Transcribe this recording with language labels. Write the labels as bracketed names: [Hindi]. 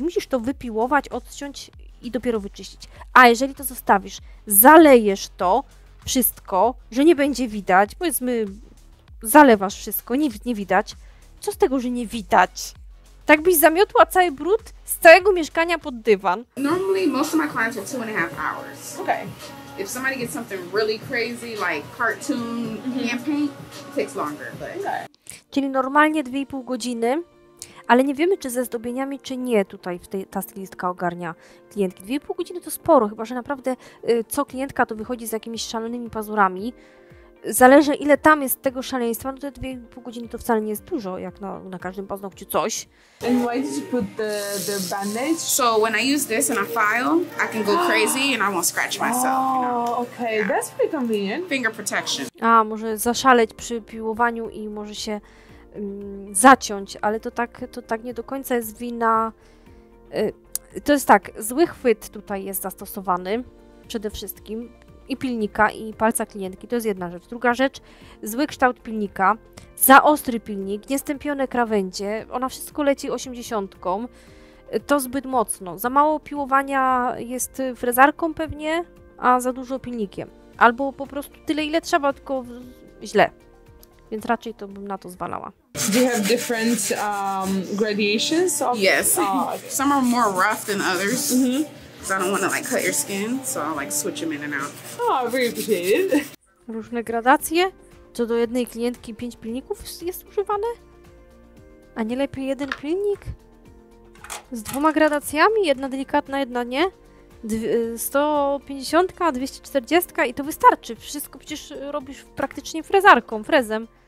[Polish] Musisz to wypiłować, odciąć i dopiero wyczyścić. A jeżeli to zostawisz, zalejesz to wszystko, że nie będzie widać, powiedzmy, zalewasz wszystko, nie widać. Co z tego, że nie widać? Tak byś zamiotła cały brud z całego mieszkania pod dywan. [English] Normally most of my clients are 2.5 hours. Okay. If somebody gets something really crazy, like cartoon hand paint, it takes longer. But... Okay. [Polish] Czyli normalnie 2.5 godziny. Ale nie wiemy, czy ze zdobieniami, czy nie tutaj w tej, ta stylistka ogarnia klientki. 2.5 godziny to sporo, chyba że naprawdę co klientka to wychodzi z jakimiś szalonymi pazurami. Zależy ile tam jest tego szaleństwa, no te 2.5 godziny to wcale nie jest dużo, jak na każdym paznokciu coś. [English] And why did you put the bandage? So when I use this and I file, I can go crazy and I won't scratch myself. Oh, you know? Okay, yeah. That's pretty convenient. Finger protection. [Polish] A, może zaszaleć przy piłowaniu i może się... zaciąć, ale to tak nie do końca jest wina... To jest tak, zły chwyt tutaj jest zastosowany przede wszystkim i pilnika, i palca klientki, to jest jedna rzecz. Druga rzecz, zły kształt pilnika, za ostry pilnik, niestępione krawędzie, ona wszystko leci 80-ką, to zbyt mocno. Za mało piłowania jest frezarką pewnie, a za dużo pilnikiem. Albo po prostu tyle, ile trzeba, tylko źle. Więc raczej to bym na to zwalała. [English] Do you have different gradations of... Yes. Okay. Some are more rough than others. Mm-hmm. I don't want to like cut your skin, so I'll like switch them in and out. Oh, very appreciated. [Polish] Różne gradacje? Co do jednej klientki 5 pilników jest używane? A nie lepiej jeden pilnik? Z dwoma gradacjami? Jedna delikatna, jedna nie? 150, 240 i to wystarczy. Wszystko przecież robisz praktycznie frezarką, frezem.